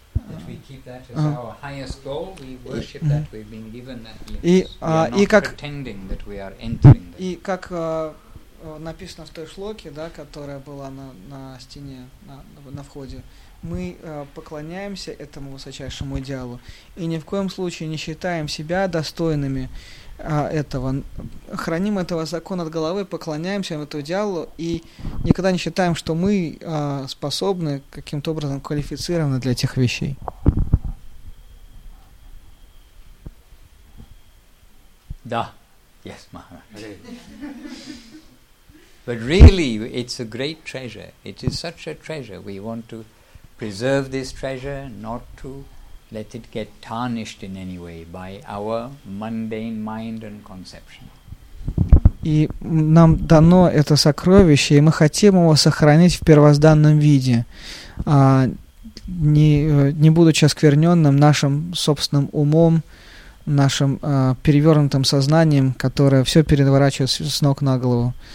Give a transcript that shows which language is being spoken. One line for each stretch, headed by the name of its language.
English: That we keep that as our highest goal, we worship that, we've been given that glimpse. We are not pretending that we are entering that.
Russian: И как написано в той шлоке, да, которая была на стене, на входе, мы поклоняемся этому высочайшему идеалу и ни в коем случае не считаем себя достойными этого, храним этого закона от головы, поклоняемся этому идеалу и никогда не считаем, что мы способны каким-то образом квалифицированы для этих вещей.
English: Да. Yes, Maharaj. But really, it's a great treasure. It is such a treasure. We want to preserve this treasure, not to let it get tarnished in any way by our mundane mind and conception.
Russian: И нам дано это сокровище, и мы хотим его сохранить в первозданном виде, не будучи оскверненным нашим собственным умом, нашим перевернутым сознанием, которое все переворачивается с ног на голову.